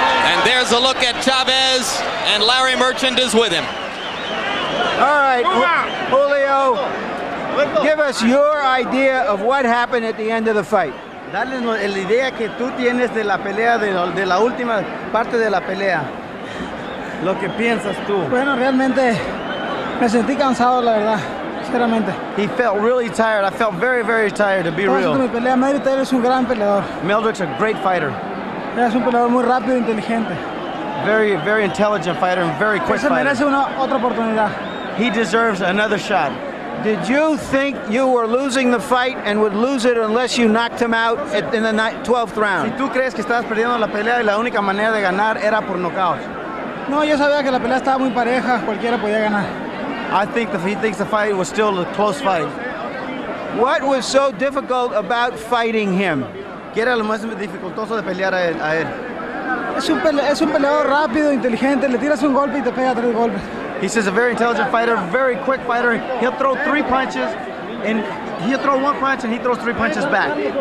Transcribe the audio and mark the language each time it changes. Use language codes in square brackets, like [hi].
[en] And there's a look at Chavez, and Larry Merchant is with him. All right, Julio, give us your idea of what happened at the end of the fight. [es] Dale la idea que tú tienes de la pelea, de la última parte de la pelea. Lo que piensas tú. Bueno, realmente me sentí cansado, la verdad, sinceramente. [en] He felt really tired. I felt very, very tired, to be real. [es] Mi pelea, Meldrick es un gran peleador. [en] Meldrick's a great fighter. [es] Es un peleador muy rápido e inteligente. [en] Very, very intelligent fighter and very quick fighter. [es] Se merece una otra oportunidad. [en] He deserves another shot. Did you think you were losing the fight and would lose it unless you knocked him out in the 12th round? [es] Si tú crees que estabas perdiendo la pelea y la única manera de ganar era por knockout. No, yo sabía que la pelea estaba muy pareja, cualquiera podía ganar. [en] I think that he thinks the fight was still a close fight. What was so difficult about fighting him? [es] ¿Qué era lo más dificultoso de pelear a él? Es un peleador rápido, inteligente, le tiras un golpe y te pega tres golpes. [en] He says a very intelligent fighter, very quick fighter. He'll throw three punches, and he'll throw one punch, and he throws three punches back.